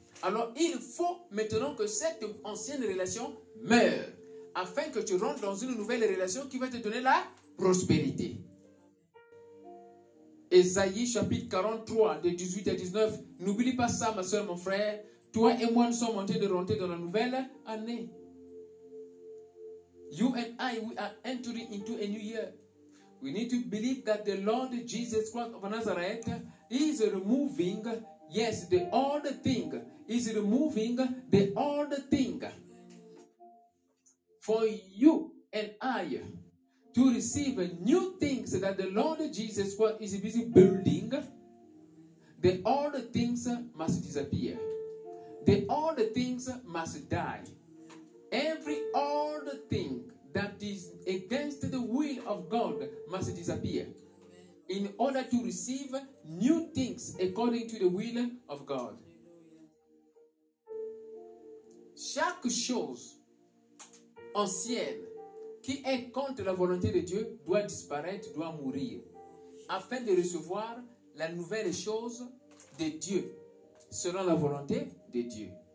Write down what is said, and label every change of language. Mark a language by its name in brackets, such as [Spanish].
[French] Alors il faut maintenant que cette ancienne relation meure afin que tu rentres dans une nouvelle relation qui va te donner la prospérité. Ésaïe chapitre 43, de 18 à 19. N'oublie pas ça, ma soeur, mon frère. Toi et moi, nous sommes en train de rentrer dans la nouvelle année. [English] You and I, we are entering into a new year. We need to believe that the Lord Jesus Christ of Nazareth is removing, yes, the old thing. Is removing the old thing. For you and I to receive new things that the Lord Jesus Christ is busy building, the old things must disappear. The old things must die. Every old thing that is against the will of God must disappear in order to receive new things according to the will of God. [French] Chaque chose ancienne qui est contre la volonté de Dieu doit disparaître, doit mourir, afin de recevoir la nouvelle chose de Dieu selon la volonté de Dieu.